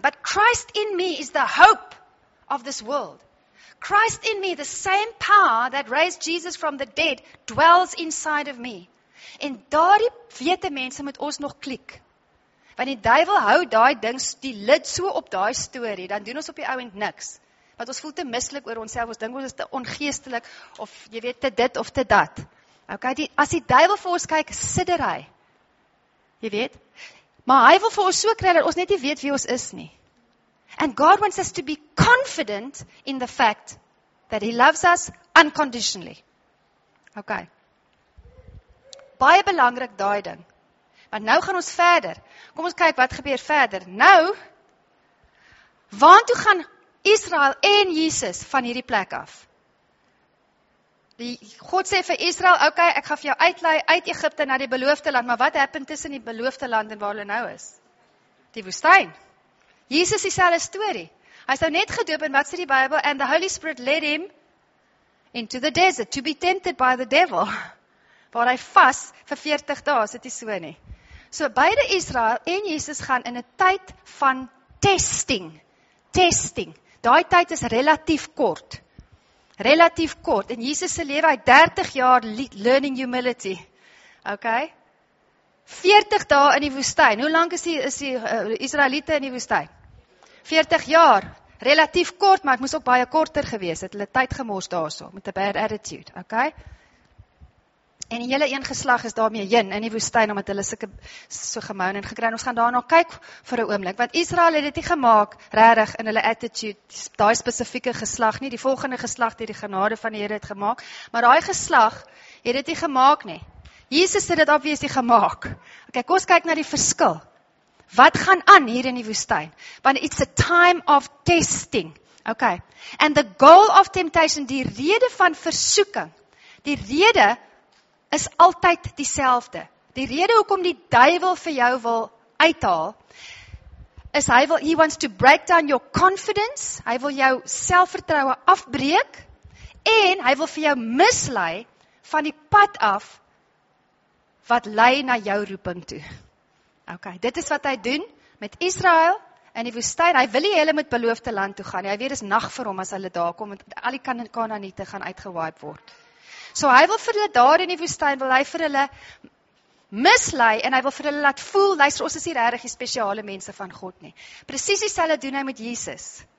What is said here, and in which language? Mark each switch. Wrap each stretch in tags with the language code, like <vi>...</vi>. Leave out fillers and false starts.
<en>But Christ in me is the hope of this world. Christ in me, the same power that raised Jesus from the dead, dwells inside of me.</en> <af>En daardie wete mense moet ons nog klik. Want die duivel hou daai ding, die lid so op daai storie, dan doen ons op die ouend niks. Want ons voel te mislik oor onsself, ons dink ons is te ongeestelik, of jy weet, te dit of te dat. Okay, as die duivel vir ons kyk, sidder hy. Jy weet. Maar hy wil vir ons so kry, dat ons net nie weet wie ons is nie.</af> <en>And God wants us to be confident in the fact that he loves us unconditionally.</en> <af>Okay. Baie belangrik daai ding. Want nou gaan ons verder. Kom ons kyk wat gebeur verder. Nou, waartoe gaan Israel en Jesus van hierdie plek af? Die God sê vir Israel, okay, ek gaan vir jou uitlei uit Egipte na die beloofde land, maar wat happen tussen die beloofde land en waar hulle nou is? Die woestyn. Jesus dieselfde storie. Hy is nou net gedoop en wat sê die Bybel?</af> <en>And the Holy Spirit led him into the desert to be tempted by the devil.</en> <af>Waar hy vas vir 40 dae, is dit nie so nie. So beide Israel en Jesus gaan in 'n tyd van testing. Testing. Daai tyd is relatief kort. Relatief kort. En Jesus se lewe, hy 30 jaar learning humility. Okay? 40 dae in die woestyn. Hoe lank is die Israeliete in die woestyn? 40 jaar. Relatief kort, maar het moes ook baie korter gewees. Het hulle tyd gemors daarso, met 'n bad attitude. Okay? En die hele een geslag is daarmee heen in die woestyn, omdat hulle sulke so gemou en gekry. En ons gaan daarna kyk vir 'n oomblik, want Israel het dit nie gemaak regtig in hulle attitude, daai spesifieke geslag nie, die volgende geslag het die genade van die Here het gemaak, maar daai geslag het dit nie gemaak nie. Jesus het dit obviously gemaak. Okay, kom ons kyk na die verskil. Wat gaan aan hier in die woestyn?</af> <en>Want it's a time of testing. Okay. And the goal of temptation,</en> <af>die rede van versoeking, die rede is altyd dieselfde. Die rede hoekom die duivel vir jou wil uithaal, is</af> <en>he wants to break down your confidence,</en> <af>hy wil jou selfvertroue afbreek, en hy wil vir jou mislei van die pad af, wat lei na jou roeping toe. Okay, dit is wat hy doen, met Israël in die woestijn. Hy wil nie hulle met beloofde land toe gaan. Hy weet dis nag vir hom as hulle daar kom, want al die Kanaaniete gaan uitgewipe word. So hy wil vir hulle daar in die woestijn, wil hy vir hulle mislei, en hy wil vir hulle laat voel, luister, ons is hier regtig die spesiale mense van God nie. Precies dieselfde doen hy met Jesus.</af>